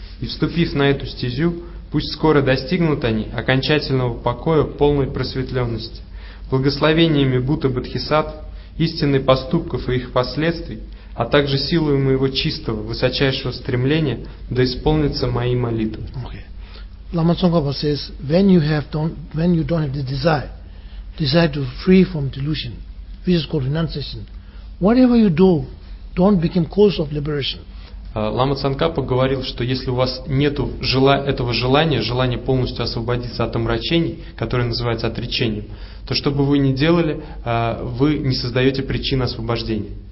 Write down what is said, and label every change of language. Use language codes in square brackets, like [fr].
[ru] И вступив на эту стезю, пусть скоро достигнут они окончательного покоя, полной просветленности. Благословениями Будды Бодхисаттв, истинных поступков и их последствий, а также силой моего чистого, высочайшего стремления, да исполнятся мои молитвы. [en] Лама Цонгапа says, when you don't have the desire, desire to free from delusion, which is called renunciation, whatever you do, don't become cause of liberation. [ru] Лама Цанкапа говорил, что если у вас нету этого желания, желания полностью освободиться от омрачений, которое называется отречением, то что бы вы ни делали, вы не создаете причины освобождения.